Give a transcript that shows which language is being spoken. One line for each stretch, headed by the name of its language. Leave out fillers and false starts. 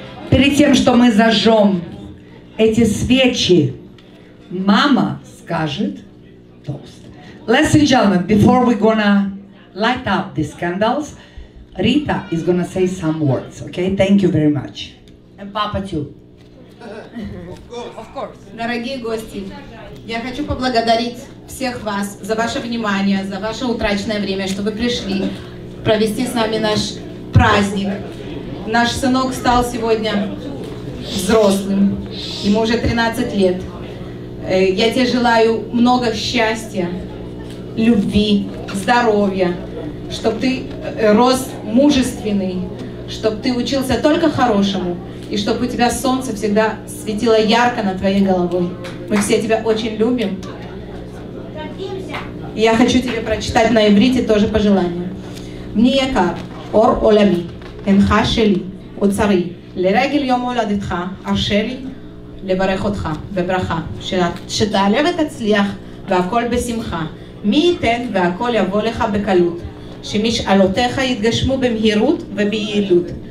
Russian: Перед тем, что мы зажжем эти свечи, мама скажет тост.
English: Ladies and gentlemen, before we're gonna light up these candles, Rita is gonna say some words, okay? Thank you very much. And Papa too. Of course.
Russian: Дорогие гости, я хочу поблагодарить всех вас за ваше внимание, за ваше утраченное время, что вы пришли провести с нами наш праздник. Наш сынок стал сегодня взрослым, ему уже 13 лет. Я тебе желаю много счастья, любви, здоровья, чтобы ты рос мужественный, чтобы ты учился только хорошему, и чтобы у тебя солнце всегда светило ярко над твоей головой. Мы все тебя очень любим. Я хочу тебе прочитать на иврите тоже пожелание.
Hebrew: Мне якар, ор олями, энха шели. אוצרי, לרגל יום הולדתך, ארשה לי לברך אותך בברכה, שתעלה ותצליח והכל בשמחה. מי ייתן והכל יבוא לך בקלות, שמשאלותיך יתגשמו במהירות וביעילות.